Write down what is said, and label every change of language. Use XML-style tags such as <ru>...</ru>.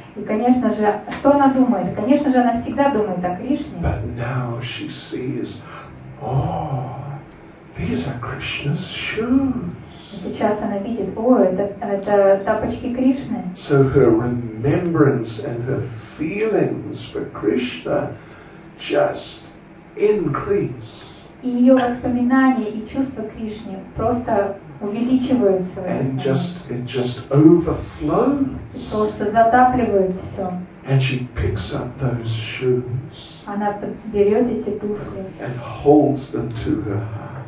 <ru>И, конечно же, что она думает? Конечно же, она всегда думает о Кришне.</ru> <en>But now she sees, oh, these are Krishna's shoes.</en> <ru>Сейчас она видит, о, это тапочки Кришны.</ru> <en>So her remembrance and her feelings for Krishna just increase.</en> <ru>И ее воспоминания и чувства Кришны просто увеличиваются.</ru> <en>And it just overflows.</en> <ru>Просто затапливает все.</ru> <en>And she picks up those shoes.</en> <ru>Она берет эти туфли.</ru> <en>And holds them to her heart.</en>